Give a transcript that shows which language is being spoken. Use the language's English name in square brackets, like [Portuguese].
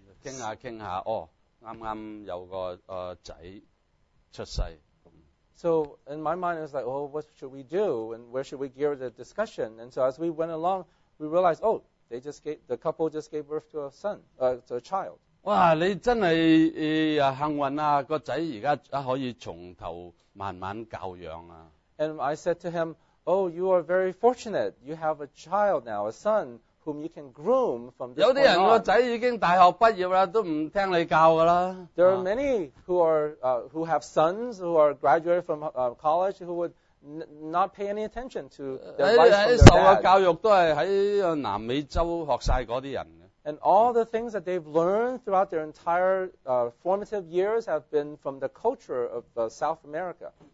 [Cantonese] 傾下傾下，哦，啱啱有個仔出世。 [English] So in my mind, it was like, what should we do? And where should we gear the discussion? And so as we went along, we realized, the couple just gave birth to a son, to a child. [Cantonese] 哇,你真係幸運啊,個仔而家可以從頭慢慢教養啊。 [English] And I said to him, you are very fortunate. You have a child now, a son, whom you can groom from this point on. [Cantonese] 有啲人個仔已經大學畢業啦,都唔聽你教㗎啦。 [English] There are many who have sons who are graduated from college who would not pay any attention to their life from their dad. [Cantonese] 受過教育都係喺南美洲學曬嗰啲人。 [English] And all the things that they've learned throughout their entire formative years have been from the culture of South America.